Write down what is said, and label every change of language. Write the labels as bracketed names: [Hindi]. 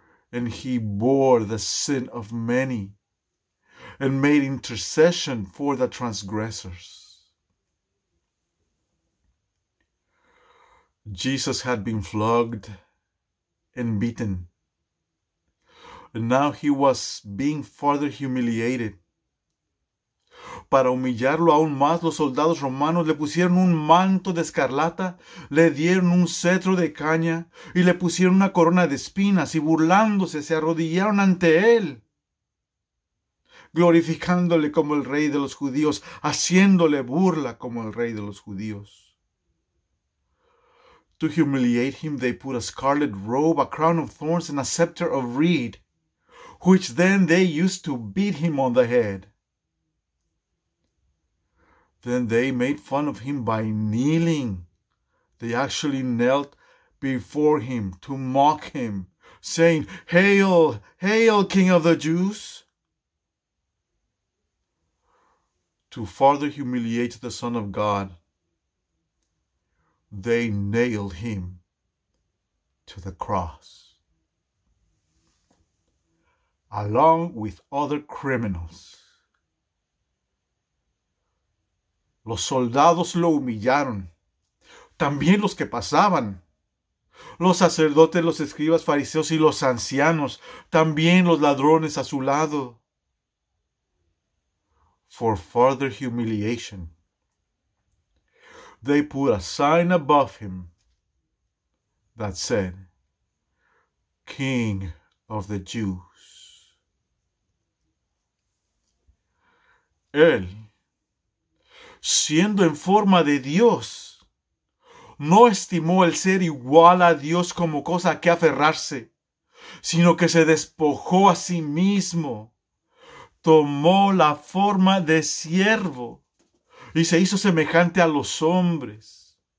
[English] And he bore the sin of many and made intercession for the transgressors. Jesus had been flogged and beaten, and now he was being further humiliated. [Spanish] Para humillarlo aún más, los soldados romanos le pusieron un manto de escarlata, le dieron un cetro de caña y le pusieron una corona de espinas y burlándose se arrodillaron ante él, glorificándole como el rey de los judíos, haciéndole burla como el rey de los judíos. [English] To humiliate him, they put a scarlet robe, a crown of thorns and a scepter of reed, which then they used to beat him on the head. Then they made fun of him by kneeling. They actually knelt before him to mock him, saying, "Hail, hail, King of the Jews!" To further humiliate the Son of God, they nailed him to the cross, along with other criminals. [Spanish] Los soldados lo humillaron, también los que pasaban. Los sacerdotes, los escribas, fariseos y los ancianos, también los ladrones a su lado. [English] For further humiliation, they put a sign above him that said, "King of the Jews." [Spanish] Él, siendo en forma de Dios, no estimó el ser igual a Dios como cosa a que aferrarse, sino que se despojó a sí mismo, tomó la forma de siervo y se hizo semejante a los hombres.